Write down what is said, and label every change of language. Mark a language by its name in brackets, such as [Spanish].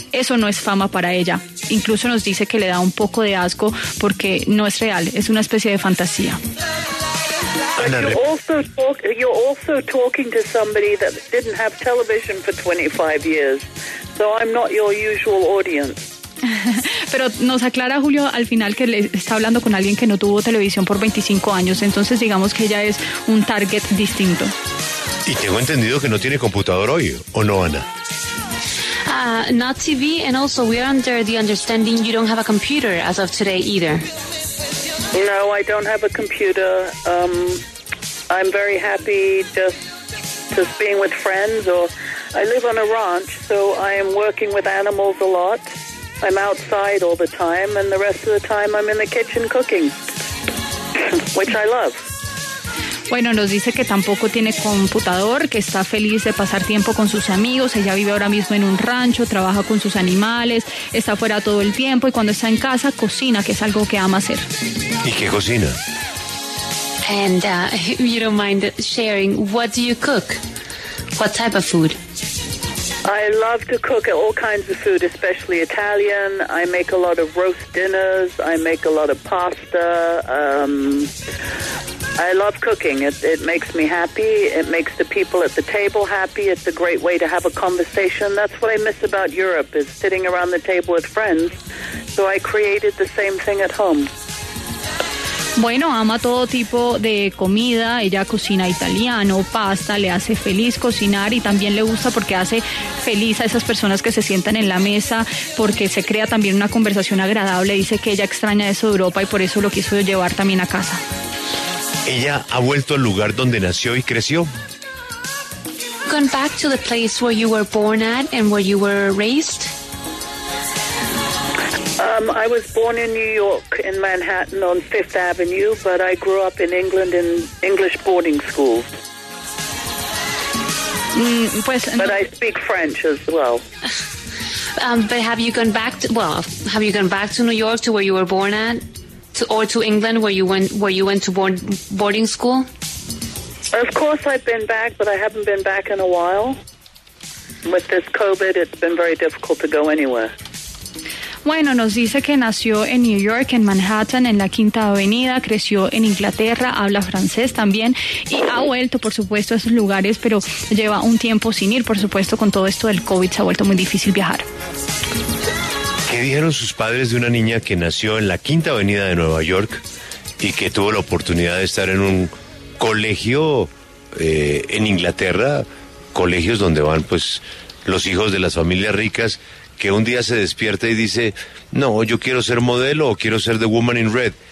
[Spanish] Eso no es fama para ella. Incluso nos dice que le da un poco de asco porque no es real, es una especie de fantasía. [English] But you're also talking to somebody that didn't have television for 25 years, so I'm not your usual audience. [Spanish] Pero nos aclara Julio al final que le está hablando con alguien que no tuvo televisión por 25 años, entonces digamos que ella es un target distinto. Y tengo entendido que no tiene computador hoy, ¿o no, Ana? [English] Not TV, and also we're under the understanding you don't have a computer as of today either. No, I don't have a computer. I'm very happy just being with friends. Or I live on a ranch, so I am working with animals a lot. I'm outside all the time, and the rest of the time I'm in the kitchen cooking, which I love. [Spanish] Bueno, nos dice que tampoco tiene computador, que está feliz de pasar tiempo con sus amigos. Ella vive ahora mismo en un rancho, trabaja con sus animales, está fuera todo el tiempo y cuando está en casa cocina, que es algo que ama hacer. ¿Y qué cocina? [English] And you don't mind sharing, what do you cook? What type of food? I love to cook all kinds of food, especially Italian. I make a lot of roast dinners. I make a lot of pasta. I love cooking. It makes me happy. It makes the people at the table happy. It's a great way to have a conversation. That's what I miss about Europe, is sitting around the table with friends. So I created the same thing at home. [Spanish] Bueno, ama todo tipo de comida. Ella cocina italiano, pasta, le hace feliz cocinar y también le gusta porque hace feliz a esas personas que se sientan en la mesa, porque se crea también una conversación agradable. Dice que ella extraña eso de Europa y por eso lo quiso llevar también a casa. ¿Ella ha vuelto al lugar donde nació y creció? [English] Gone back to the place where you were born at and where you were raised? I was born in New York, in Manhattan, on Fifth Avenue, but I grew up in England in English boarding schools. But I speak French as well. But have you gone back to, have you gone back to New York, to where you were born at, to England, where you went to boarding school? Of course I've been back, but I haven't been back in a while. With this COVID, it's been very difficult to go anywhere. [Spanish] Bueno, nos dice que nació en New York, en Manhattan, en la Quinta Avenida, creció en Inglaterra, habla francés también y ha vuelto, por supuesto, a esos lugares, pero lleva un tiempo sin ir, por supuesto, con todo esto del COVID se ha vuelto muy difícil viajar. ¿Qué dijeron sus padres de una niña que nació en la Quinta Avenida de Nueva York y que tuvo la oportunidad de estar en un colegio en Inglaterra, colegios donde van pues los hijos de las familias ricas, que un día se despierta y dice, no, yo quiero ser modelo o quiero ser The Woman in Red?